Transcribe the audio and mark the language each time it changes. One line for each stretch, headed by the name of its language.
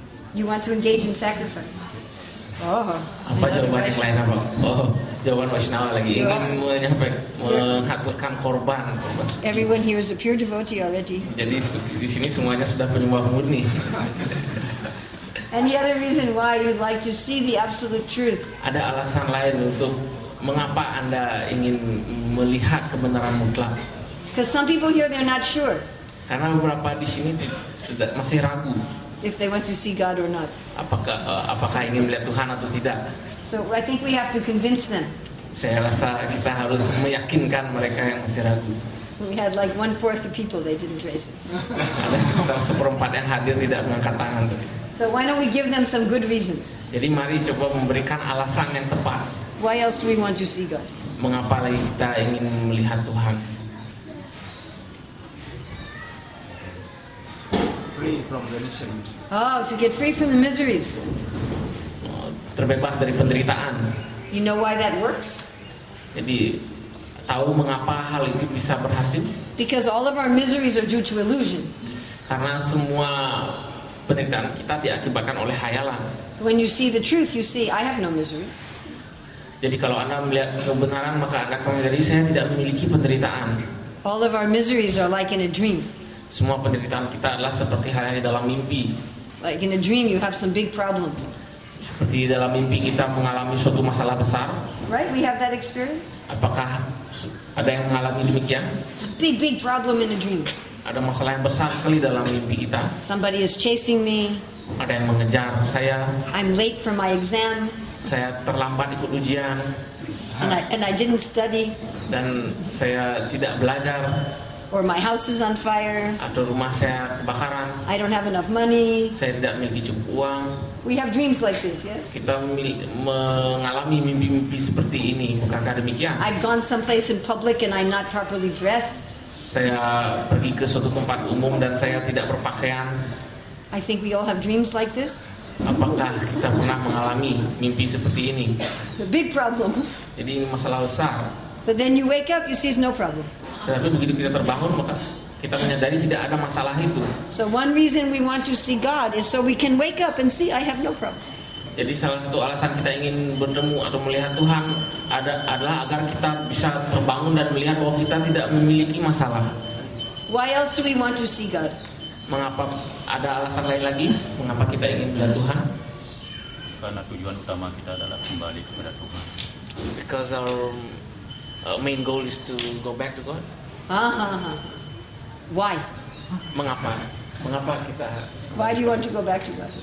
English: You want to engage in sacrifice.
Indonesian: Oh, apa jawaban yang lain apa? Oh, jawaban Vaishnava lagi ingin menghaturkan korban.
English: Everyone here is a pure devotee already.
Indonesian: Jadi di sini semuanya sudah penyembah murni.
English: Any other reason why you'd like to see the absolute truth?
Indonesian: Ada alasan lain untuk mengapa Anda ingin melihat kebenaran mutlak?
English: Because some people here they're not sure.
Indonesian: Karena beberapa di sini masih ragu.
English: If they want to see God or not.
Indonesian: Apakah ingin melihat Tuhan atau tidak?
English: So I think we have to convince them.
Indonesian: Saya rasa kita harus meyakinkan mereka yang masih ragu.
English: We had like 1/4 of people they didn't raise it.
Indonesian: Ada sekitar 1/4 yang hadir tidak mengangkat tangan.
English: So why don't we give them some good reasons?
Indonesian: Jadi mari coba memberikan alasan yang tepat.
English: Why else do we want to see God?
Indonesian: Mengapa lagi kita ingin melihat Tuhan?
English: Free from the misery. Oh, to get free from the miseries.
Indonesian: Terbebas dari penderitaan.
English: You know why that works?
Indonesian: Jadi, tahu mengapa hal itu bisa berhasil?
English: Because all of our miseries are due to illusion.
Indonesian: Karena semua penderitaan kita diakibatkan oleh khayalan.
English: When you see the truth, you see I have no misery.
Indonesian: Jadi kalau Anda melihat kebenaran, maka Anda akan menjadi saya tidak memiliki penderitaan.
English: All of our miseries are like in a dream.
Indonesian: Semua penderitaan kita adalah seperti hal yang di dalam mimpi.
English: Like in a dream you have some big problem.
Indonesian: Seperti dalam mimpi kita mengalami suatu masalah besar.
English: Right, we have that experience.
Indonesian: Apakah ada yang mengalami demikian?
English: It's a big, big problem in a dream.
Indonesian: Ada masalah yang besar sekali dalam mimpi kita.
English: Somebody is chasing me.
Indonesian: Ada yang mengejar saya.
English: I'm late for my exam.
Indonesian: Saya terlambat ikut ujian.
English: And I didn't study.
Indonesian: Dan saya tidak belajar.
English: Or my house is on fire.
Indonesian: Atau rumah saya kebakaran.
English: I don't have enough money.
Indonesian: Saya tidak memiliki cukup uang.
English: We have dreams like this, yes?
Indonesian: Kita mengalami mimpi-mimpi seperti ini, bukankah demikian?
English: I've gone someplace in public and I'm not properly dressed.
Indonesian: Saya pergi ke suatu tempat umum dan saya tidak berpakaian.
English: I think we all have dreams like this.
Indonesian: Apakah kita pernah mengalami mimpi seperti ini?
English: The big problem.
Indonesian: Jadi ini masalah besar.
English: But then you wake up, you see it's no problem.
Indonesian: Tetapi begitu kita terbangun, maka kita menyadari tidak ada masalah itu.
English: So one reason we want to see God is so we can wake up and see I have no problem.
Indonesian: Jadi salah satu alasan kita ingin bertemu atau melihat Tuhan adalah agar kita bisa terbangun dan melihat bahwa kita tidak memiliki masalah.
English: Why else do we want to see God?
Indonesian: Mengapa ada alasan lain lagi? Mengapa kita ingin melihat Tuhan? Karena tujuan utama kita adalah kembali kepada Tuhan.
English: Because our main goal is to go back to God. Why?
Indonesian: Mengapa? Mengapa kita? Kembali?
English: Why do you want to go back to God?